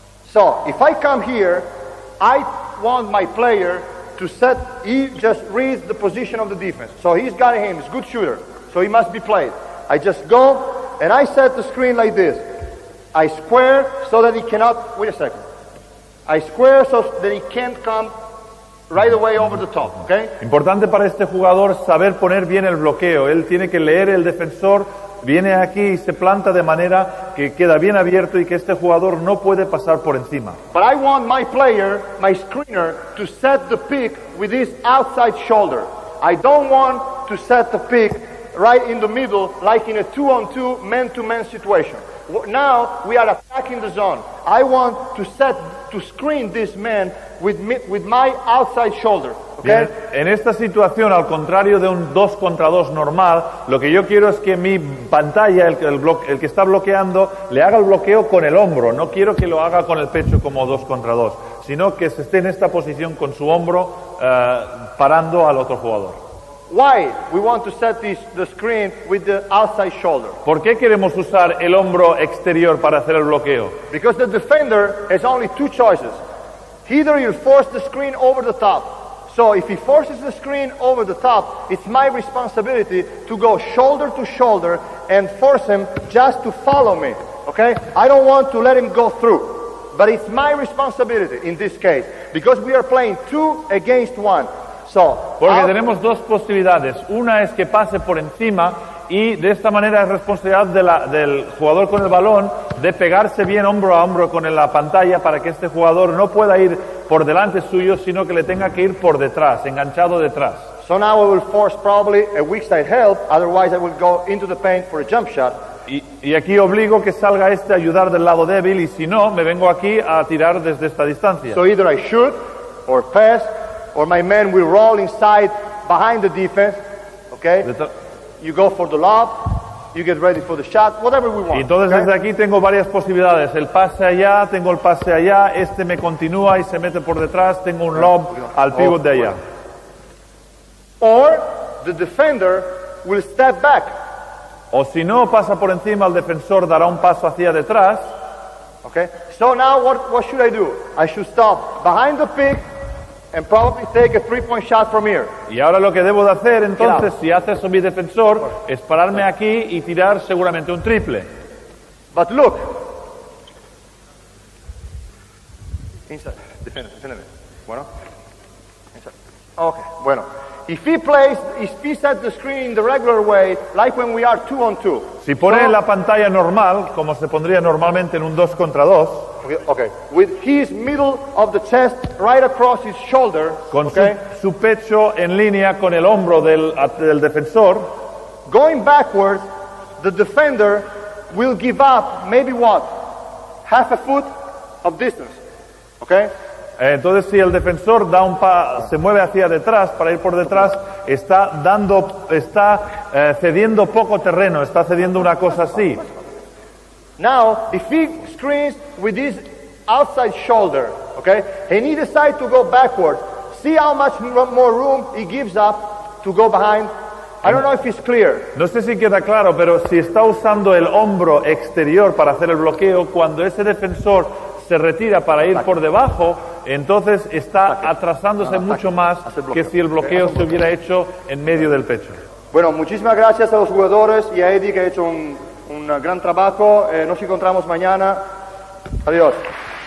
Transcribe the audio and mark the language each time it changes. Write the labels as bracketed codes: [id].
[en] So, if I come here, I want my player to set, he just reads the position of the defense. So he's got him, he's a good shooter. So he must be played. I just go and I set the screen like this. I square so that he cannot, wait a second. I square so that he can't come right away over the top, okay? [es] Importante para este jugador saber poner bien el bloqueo. Él tiene que leer el defensor, viene aquí y se planta de manera que queda bien abierto y que este jugador no puede pasar por encima. [en] But I want my player, my screener, to set the pick with his outside shoulder. I don't want to set the pick right in the middle, like in a two-on-two, man-to-man situation. Now we are attacking the zone. I want to set, to screen this man with me, with my outside shoulder. Okay? [es] Bien. En esta situación, al contrario de un 2 contra 2 normal, lo que yo quiero es que mi pantalla, el que está bloqueando, le haga el bloqueo con el hombro. No quiero que lo haga con el pecho como 2 contra 2. sino que se esté en esta posición con su hombro parando al otro jugador. [en] Why we want to set the screen with the outside shoulder? [es] ¿Por qué queremos usar el hombro exterior para hacer el bloqueo? [en] Because the defender has only two choices. Either you force the screen over the top. So if he forces the screen over the top, it's my responsibility to go shoulder to shoulder and force him just to follow me. Okay? I don't want to let him go through. But it's my responsibility in this case because we are playing two against one. So, [es] porque tenemos dos posibilidades. Una es que pase por encima y de esta manera es responsabilidad de del jugador con el balón de pegarse bien hombro a hombro con la pantalla para que este jugador no pueda ir por delante suyo, sino que le tenga que ir por detrás, enganchado detrás. [en] So now I will force probably a weak side help, otherwise I will go into the paint for a jump shot. [es] Y aquí obligo que salga este a ayudar del lado débil y si no, me vengo aquí a tirar desde esta distancia. [en] So either I shoot or pass or my man will roll inside behind the defense, okay? You go for the lob, you get ready for the shot, whatever we want. [es] Y entonces desde aquí tengo varias posibilidades. El pase allá, tengo el pase allá, este me continúa y se mete por detrás, tengo un lob al pivot de allá. [en] Or the defender will step back. [es] O si no, pasa por encima, el defensor dará un paso hacia detrás. [en] Okay. So now what should I do? I should stop behind the pick and probably take a three-point shot from here. [es] Y ahora lo que debo de hacer entonces, si hace eso mi defensor, es pararme aquí y tirar seguramente un triple. [en] But look. [es] Inside. Defiéndeme. Bueno. Inside. Okay. Bueno. [en] If he set the screen in the regular way, like when we are two on two. [es] Si pone la pantalla normal, como se pondría normalmente en un 2 contra 2. [en] Okay. With his middle of the chest right across his shoulder. [es] Con [en] okay. [es] su pecho en línea con el hombro del defensor. [en] Going backwards, the defender will give up maybe what? Half a foot of distance. Okay. [es] Entonces, si el defensor da un se mueve hacia detrás para ir por detrás, está cediendo poco terreno, está cediendo una cosa así. [en] Now, if he screens with his outside shoulder, okay, and he decides to go backward, see how much more room he gives up to go behind. I don't know if it's clear. [es] No sé si queda claro, pero si está usando el hombro exterior para hacer el bloqueo, cuando ese defensor se retira para ir por debajo, entonces está atrasándose mucho más que si el bloqueo se hubiera hecho en medio del pecho. Bueno, muchísimas gracias a los jugadores y a Eddie que ha hecho un gran trabajo. Nos encontramos mañana. Adiós.